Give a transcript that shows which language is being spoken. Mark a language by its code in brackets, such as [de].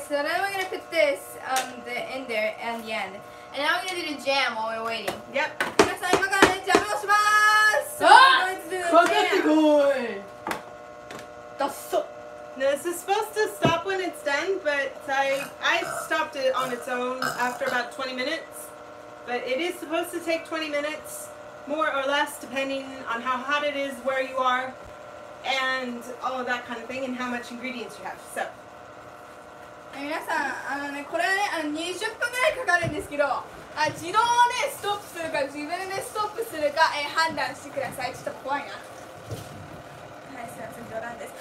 [en] Okay, so then we're gonna put this the in there and the end. And now we're gonna do the jam while we're waiting. Yep. [ja] 皆さん今からジャムをします。あっ！かかってこい。だっそ。 [en] Now, this is supposed to stop when it's done, but I stopped it on its own after about 20 minutes. But it is supposed to take 20 minutes, more or less, depending on how hot it is, where you are, and all of that kind of thing, and how much ingredients you have, so. [ja] 皆さん、あのね、これはね、あの20分ぐらいかかるんですけど、あ、自動でストップするか、自分でストップするか、判断してください。ちょっと怖いな。はい、すいません、冗談です。